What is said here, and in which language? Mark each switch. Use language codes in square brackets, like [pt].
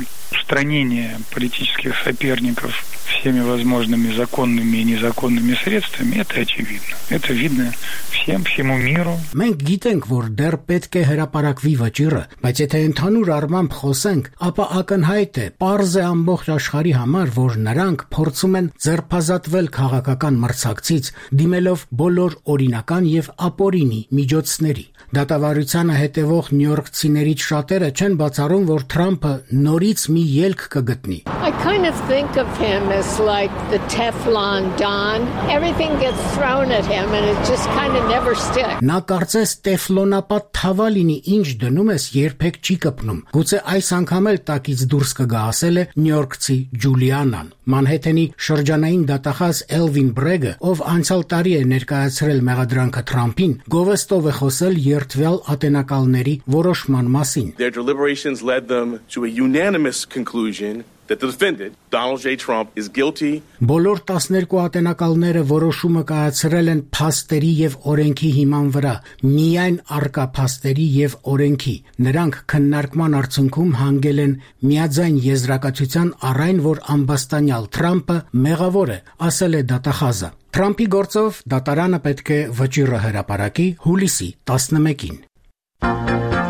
[ru] Устранение политических соперников всеми возможными законными и незаконными средствами это очевидно. Это видно всем, всему миру. [hy] Մենք գիտենք, որ դեռ պետք է հրապարակվի վճիռը, բայց եթե ընդհանուր առմամբ խոսենք, ապա ակնհայտ է, պարզ է ամբողջ աշխարհի համար, որ նրանք փորձում են ձերբազատվել քաղաքական մրցակցից, դիմելով բոլոր օրինական և ապօրինի միջոցների։ Դատավարությանը հետևող նյույորքցիներից շատերը չեն բացառում, որ Թրամփը նորից մի ելք կգտնի։ [en] I kind of think of him as like the Teflon Don. Everything gets thrown at him and it just kind of never sticks. [hy] Նա կարծես տեֆլոնապատ թավա լինի, ինչ դնում ես, երբեք չի կպնում։ Գուցե այս անգամ էլ տակից դուրս կգա, ասել է նյույորքցի Ջուլիանան։ Մանհեթենի շրջանային դատախազ Էլվին Բրեգը, ով անցյալ տարի է ներկայացրել մեղադրանքը Թրամփին, գովեստով է խոսել երթվյալ ատենակալների որոշման մասին։ [en] Their deliberations led them to a unanimous conclusion that the defendant, Donald J. Trump, is guilty. [hy] Բոլոր 12 ատենակալները որոշումը կայացրել են փաստերի և օրենքի հիման վրա, միայն առկա փաստերի և օրենքի։ Նրանք քննարկման արդյունքում հանգել են միաձայն եզրակացության առայն, որ անբաստանյալ Թրամփը մեղավոր է, ասել է դատախազը։ Թրամփի գործով դատարանը պետք է վճիռը հրապարակի հուլիսի 11-ին։